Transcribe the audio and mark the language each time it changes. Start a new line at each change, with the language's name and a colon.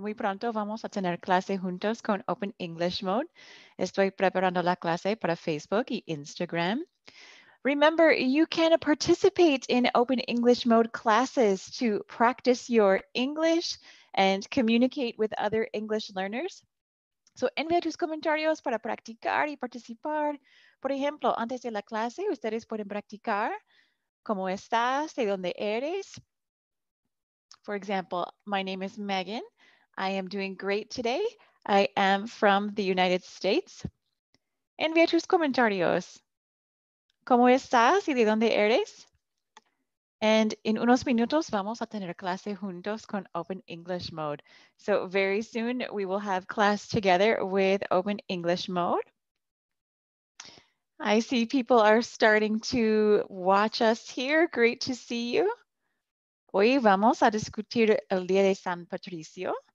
Spanish: Muy pronto vamos a tener clase juntos con Open English Mode. Estoy preparando la clase para Facebook y Instagram.
English: Remember, you can participate in Open English Mode classes to practice your English and communicate with other English learners.
Spanish: So, envía tus comentarios para practicar y participar. Por ejemplo, antes de la clase, ustedes pueden practicar cómo estás, de dónde eres.
English: For example, my name is Meghann. I am doing great today. I am from the United States.
Spanish: Envía tus comentarios. ¿Cómo estás y de dónde eres?
English: And in
Spanish: unos minutos, vamos a tener clase juntos con Open English Mode.
English: So very soon, we will have class together with Open English Mode. I see people are starting to watch us here. Great to see you.
Spanish: Hoy vamos a discutir el Día de San Patricio.